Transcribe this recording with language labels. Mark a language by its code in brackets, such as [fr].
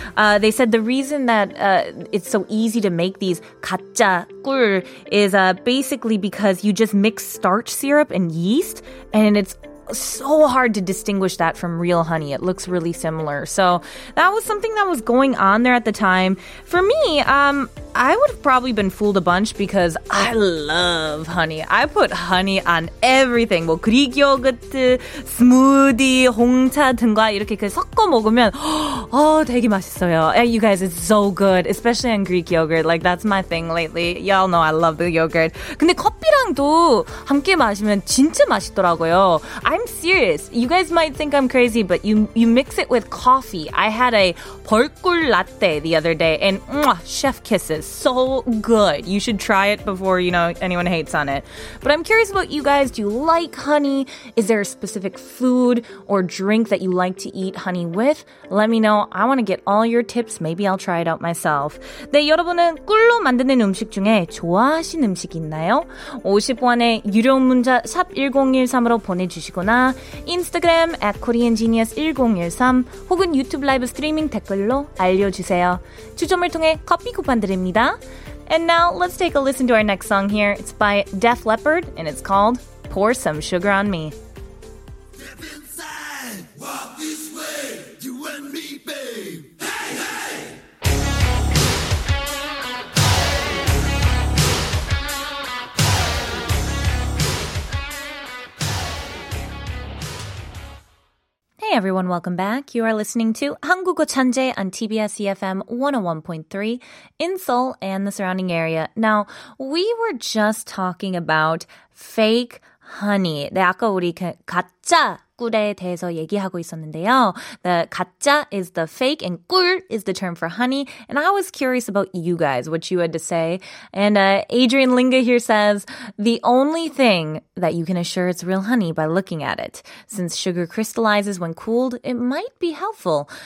[en] They said the reason that it's so easy to make these [ko] 가짜 꿀 [en] is basically because you just mix starch syrup and yeast, and it's so hard to distinguish that from real honey. It looks really similar. So that was something that was going on there at the time. For me, I would have probably been fooled a bunch because I love honey. I put honey on everything. [ko] 뭐 그릭 요거트, 스무디, 홍차 등과 이렇게 그 섞어 먹으면 oh, 되게 맛있어요. [en] Hey, you guys, it's so good. Especially on Greek yogurt. Like, that's my thing lately. Y'all know I love the yogurt. [ko] 근데 커피랑도 함께 마시면 진짜 맛있더라고요. [en] I'm serious. You guys might think I'm crazy, but you mix it with coffee. I had a [ko] 벌꿀 라떼 [en] the other day, and chef kisses. is so good. You should try it before, you know, anyone hates on it. But I'm curious about you guys. Do you like honey? Is there a specific food or drink that you like to eat honey with? Let me know. I want to get all your tips. Maybe I'll try it out myself. [ko] 네, 여러분은 꿀로 만드는 음식 중에 좋아하신 음식 있나요? 50원의 유료 문자 샵1013으로 보내주시거나 인스타그램 @koreangenius1013 혹은 유튜브 라이브 스트리밍 댓글로 알려주세요. 추첨을 통해 커피 쿠폰 드립니다. [en] And now let's take a listen to our next song here. It's by Def Leppard and it's called Pour Some Sugar on Me. Step inside, walk this way, you and me, babe. Hey everyone, welcome back. You are listening to 한국어 천재 on TBS EFM 101.3 in Seoul and the surrounding area. Now, we were just talking about fake honey. [ko] 네, 아까 우리 가짜 꿀에 대해서 얘기하고 있었는데요. [en] The 가짜 is the fake and 꿀 is the term for honey. And I was curious about you guys, what you had to say. And Adrian Linga here says, the only thing that you can assure it's real honey by looking at it. Since sugar crystallizes when cooled, it might be helpful.